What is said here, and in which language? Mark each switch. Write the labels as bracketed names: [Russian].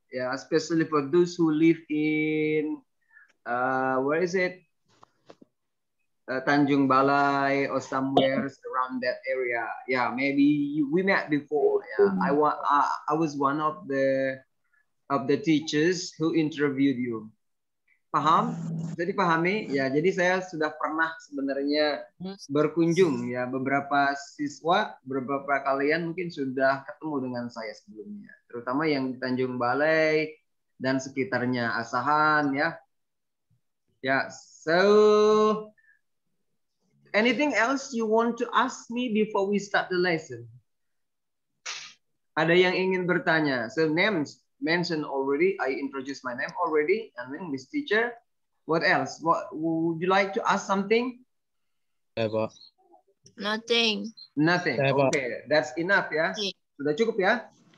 [English] Yeah, especially for those who live in Tanjung Balai or somewhere around that area. Yeah, maybe we met before. Yeah, I was one of the teachers who interviewed you. [Indonesian] Paham? Jadi pahami? Ya, jadi saya sudah pernah sebenarnya berkunjung. Ya, beberapa siswa, beberapa kalian mungkin sudah ketemu dengan saya sebelumnya. Terutama yang di Tanjung Balai dan sekitarnya Asahan. Ya. Ya. [English] So, anything else you want to ask me before we start the lesson? [Indonesian] Ada yang ingin bertanya? [English] So names mentioned already. I introduced my name already. And then Miss Teacher, what else? What would you like to ask something? Eba. Nothing. Nothing. Eba. Okay, that's enough, yeah? [Indonesian] Sudah cukup, ya?